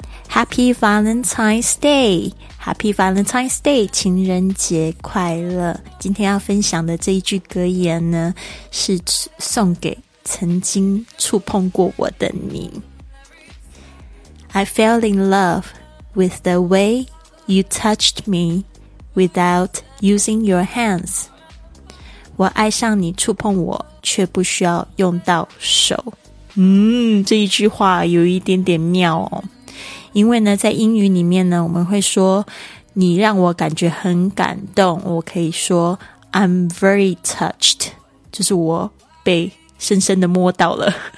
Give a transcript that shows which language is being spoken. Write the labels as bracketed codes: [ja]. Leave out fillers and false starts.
[en] Happy Valentine's Day! Happy Valentine's Day! [zh] 情人节快乐！今天要分享的这一句格言呢，是送给曾经触碰过我的你。 [en] I fell in love with the way you touched me without using your hands. [zh] 我爱上你触碰我，却不需要用到手。这一句话有一点点妙哦。因为呢，在英语里面呢，我们会说你让我感觉很感动，我可以说 [en] I'm very touched， [zh] 就是我被深深的摸到了。